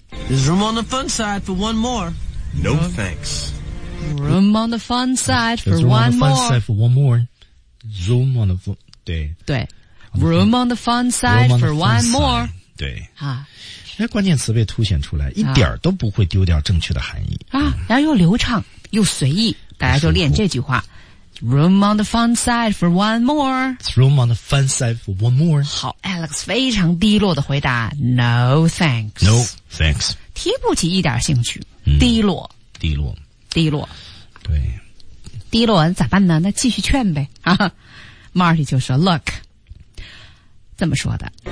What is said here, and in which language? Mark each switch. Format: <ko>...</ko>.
<en>There's room on the fun side for one more. No thanks. Room on the fun side for one more. There's room on the fun side for one more. Zoom on the fun. 对</en> <zh>对。</zh> <en>Room on the fun side for one more.</en> <zh>对啊。那关键词被凸显出来，一点都不会丢掉正确的含义啊。然后又流畅又随意，大家就练这句话。</zh> <en>Room on the fun side for one more. Room on the fun side for one more.</en> <zh>好 ，Alex 非常低落的回答 ，</zh> <en>No thanks. No thanks.</en> <zh>提不起一点兴趣，低落，低落，低落，对，低落咋办呢？那继续劝呗啊。Marty 就说 ，Look， 这么说的</zh>